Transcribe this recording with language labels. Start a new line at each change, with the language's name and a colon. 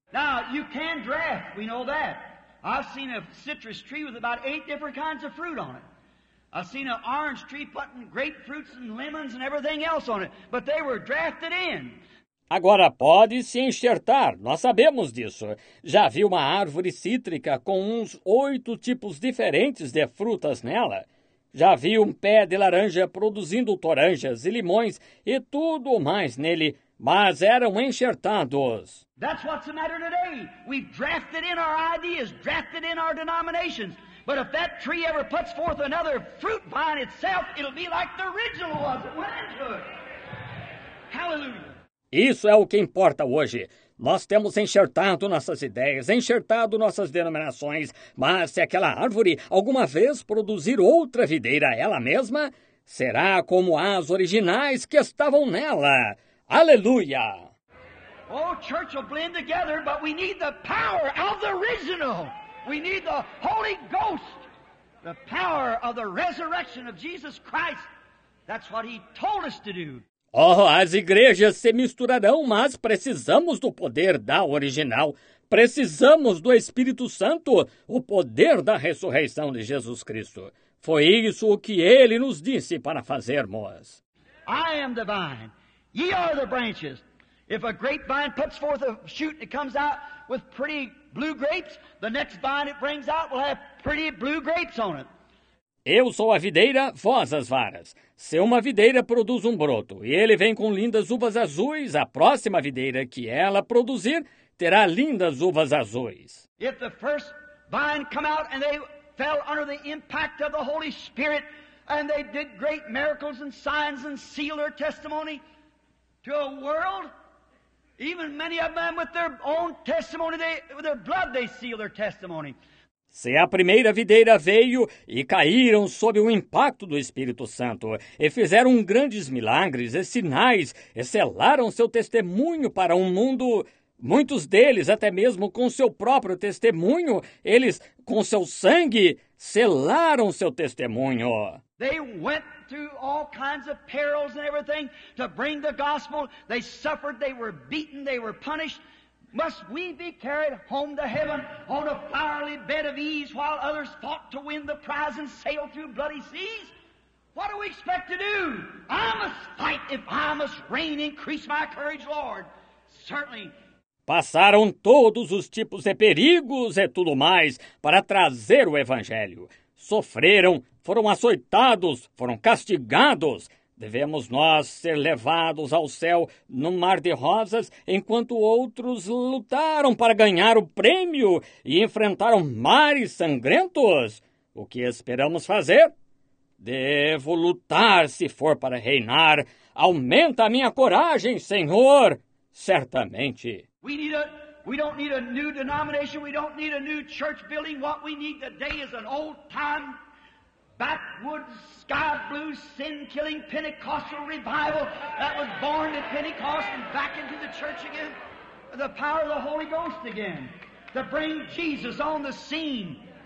English: Now, you can draft, we know that. I've seen a citrus tree with about 8 different kinds of fruit on it. I've seen an orange tree putting grapefruits and lemons and everything else on it, but they were drafted in.
Portuguese: Agora pode se enxertar, nós sabemos disso. Já vi uma árvore cítrica com uns 8 tipos diferentes de frutas nela. Já vi um pé de laranja produzindo toranjas e limões e tudo mais nele. Mas eram enxertados.
English: That's what's the matter today. We've drafted in our ideas, drafted in our denominations. But if that tree ever puts forth another fruit vine itself, it'll be like the original was it went into it. Hallelujah.
Portuguese: Isso é o que importa hoje. Nós temos enxertado nossas ideias, enxertado nossas denominações, mas se aquela árvore alguma vez produzir outra videira ela mesma, será como as originais que estavam nela. Aleluia!
English: Oh, church will blend together, but we need the power of the original. We need the Holy Ghost, the power of the resurrection of Jesus Christ. That's what he told us to do.
Portuguese: Oh, as igrejas se misturarão, mas precisamos do poder da original. Precisamos do Espírito Santo, o poder da ressurreição de Jesus Cristo. Foi isso o que ele nos disse para fazermos.
English: I am the vine, ye are the branches. If a grapevine puts forth a shoot and it comes out with pretty blue grapes, the next vine it brings out will have pretty blue grapes on it.
Portuguese: Eu sou a videira, vós as varas. Se uma videira produz um broto e ele vem com lindas uvas azuis, a próxima videira que ela produzir terá lindas uvas azuis.
English: If the first vine come out and they fell under the impact of the Holy Spirit and they did great miracles and signs and seal their testimony to a world, even many of them with their own testimony, with their blood they seal their testimony.
Portuguese: Se a primeira videira veio e caíram sob o impacto do Espírito Santo e fizeram grandes milagres e sinais e selaram seu testemunho para um mundo, muitos deles, até mesmo com seu próprio testemunho, eles, com seu sangue, selaram seu testemunho.
English: They went through all kinds of perils and everything to bring the gospel. They suffered, they were beaten, they were punished. Must we be carried home to heaven on a fiery bed of ease while others fought to win the prize and sail through bloody seas? What do we expect to do? I must fight if I must reign, increase my courage, Lord. Certainly.
Portuguese: Passaram todos os tipos de perigos e tudo mais para trazer o evangelho. Sofreram, foram açoitados, foram castigados. Devemos nós ser levados ao céu no mar de rosas, enquanto outros lutaram para ganhar o prêmio e enfrentaram mares sangrentos? O que esperamos fazer? Devo lutar se for para reinar. Aumenta a minha coragem, Senhor, certamente.
English: We don't need a new denomination, we don't need a new church building. What we need today is an old time backwoods, sky blue, sin-killing Pentecostal revival that was born at Pentecost and back into the church again. The power of the Holy Ghost again, to bring Jesus on the scene.